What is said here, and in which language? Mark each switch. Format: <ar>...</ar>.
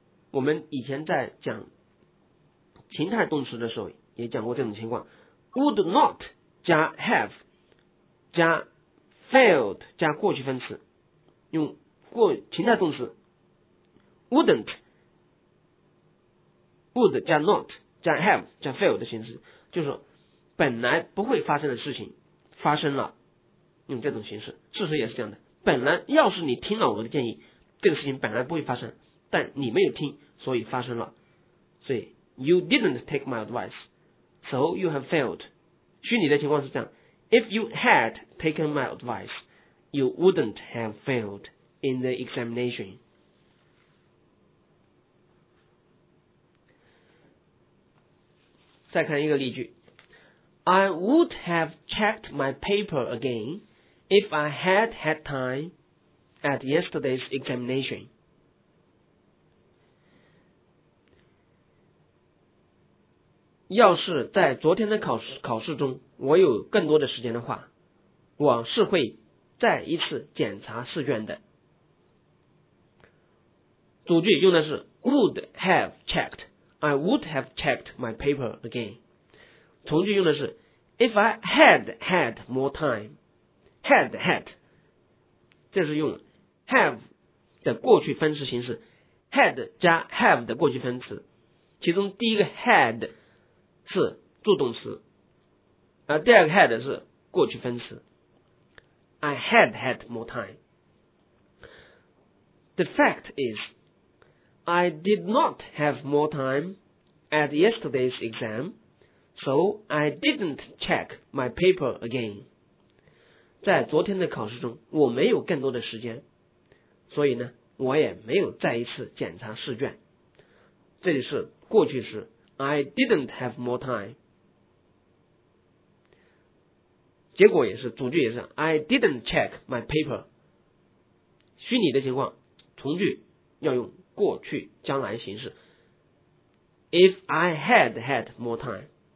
<zh>我们以前在讲情态动词的时候也讲过这种情况， would not 加 have 加 failed 加过去分词，用过情态动词 wouldn't would 加 not 加 have 加 failed 的形式，就是本来不会发生的事情发生了，用这种形式。事实也是这样的，本来要是你听了我的建议，这个事情本来不会发生，但你没有听，所以发生了。</zh> <en>所以 You didn't take my advice, so you have failed。</en> <zh>虚拟的情况是这样，</zh> <en>If you had taken my advice, you wouldn't have failed in the examination。</en> <zh>再看一个例句，</zh> <en>I would have checked my paper again if I had had time at yesterday's examination。</en> <zh>要是在昨天的考试中我有更多的时间的话，我是会再一次检查试卷的。主句用的是</zh> <en>would have checked, I would have checked my paper again。</en> <zh>从句用的是</zh> <en>if I had had more time,</en> <zh>had 这是用 have 的过去分词形式， had 加 have 的过去分词，其中第一个 had是助动词，而第二个 had 是过去分词。</zh> <en>I had had more time。 The fact is I did not have more time at yesterday's exam, so I didn't check my paper again。</en> <zh>在昨天的考试中我没有更多的时间，所以呢我也没有再一次检查试卷。这里是过去时，</zh> <en>I didn't have more time。</en> <zh>结果也是，主句也是</zh> <en>I didn't check my paper。</en> <zh>虚拟的情况，从句要用过去将来形式，</zh> <en>If I had had more time。</en>